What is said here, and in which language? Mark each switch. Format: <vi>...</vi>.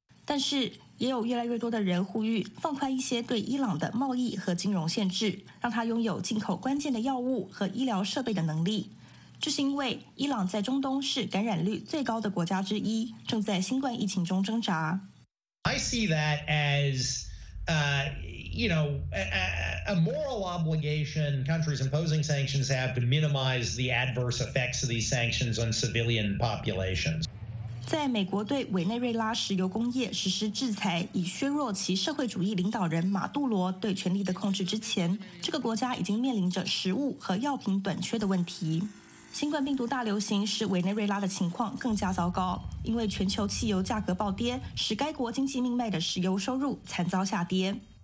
<zh>但是也有越来越多的人呼吁放宽一些对伊朗的贸易和金融限制，让它拥有进口关键的药物和医疗设备的能力。这是因为伊朗在中东是感染率最高的国家之一，正在新冠疫情中挣扎。</zh> <en>I see that as, a moral obligation countries imposing sanctions have to minimize the adverse effects of these sanctions on civilian populations.</en> <zh>在美国对委内瑞拉石油工业实施制裁，以削弱其社会主义领导人马杜罗对权力的控制之前，这个国家已经面临着食物和药品短缺的问题。新冠病毒大流行使委内瑞拉的情况更加糟糕，因为全球汽油价格暴跌，使该国经济命脉的石油收入惨遭下跌。</zh>